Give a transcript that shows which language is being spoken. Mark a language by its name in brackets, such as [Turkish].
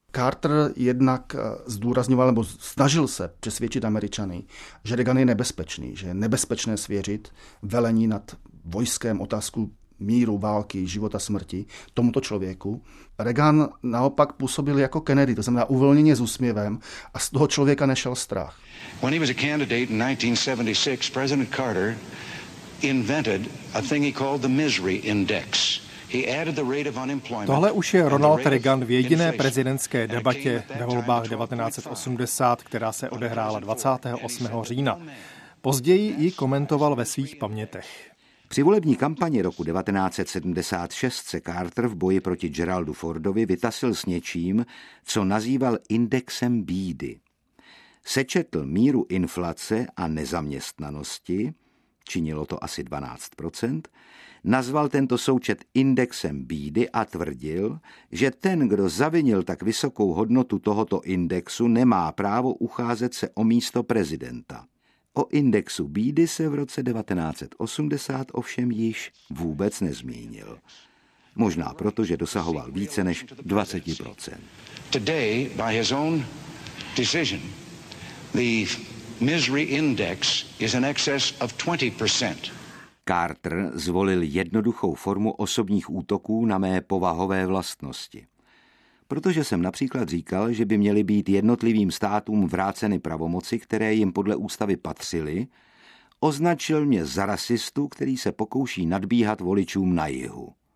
[Czech] Carter jednak zdůrazňoval nebo snažil se přesvědčit Američany, že Reagan je nebezpečný, že je nebezpečné svěřit velení nad vojskem otázku míru, války, života, smrti tomuto člověku. Reagan naopak působil jako Kennedy, to znamená uvolněně s úsměvem a z toho člověka nešel strach. [English] When he was a candidate in 1976, President Carter invented a thing he called the misery index. [Czech] Tohle už je Ronald Reagan v jediné prezidentské debatě ve volbách 1980, která se odehrála 28. října. Později ji komentoval ve svých pamětech. Při volební kampani roku 1976 se Carter v boji proti Geraldu Fordovi vytasil s něčím, co nazýval indexem bídy. Sečetl míru inflace a nezaměstnanosti, činilo to asi 12%, nazval tento součet indexem bídy a tvrdil, že ten, kdo zavinil tak vysokou hodnotu tohoto indexu, nemá právo ucházet se o místo prezidenta. O indexu bídy se v roce 1980 ovšem již vůbec nezmínil. Možná proto, že dosahoval více než 20%. [English] Today, by his own decision, the misery index is in excess of 20%. [Czech] Carter zvolil jednoduchou formu osobních útoků na mé povahové vlastnosti. Protože jsem například říkal, že by měly být jednotlivým státům vráceny pravomoci, které jim podle ústavy patřily, označil mě za rasistu, který se pokouší nadbíhat voličům na jihu.